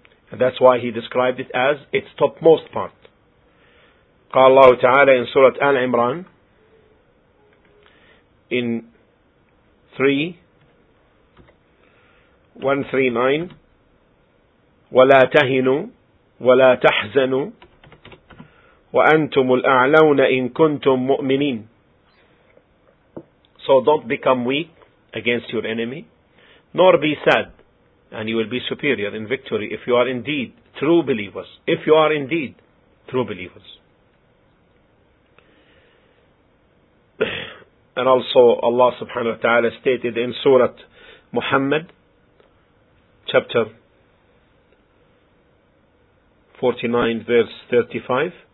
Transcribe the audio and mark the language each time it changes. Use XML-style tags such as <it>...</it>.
<en>And that's why he described it as its topmost part.</en> <ar>قال الله تعالى</ar> <en>in Surah Al Imran in 3:139.</en> <ar>ولا تهنوا ولا تحزنوا وأنتم الأعلون إن كنتم مؤمنين.</ar> <en>So don't become weak against your enemy, nor be sad, and you will be superior in victory if you are indeed true believers. If you are indeed true believers. And also Allah subhanahu wa ta'ala stated in Surah Muhammad, chapter 49:35.</en>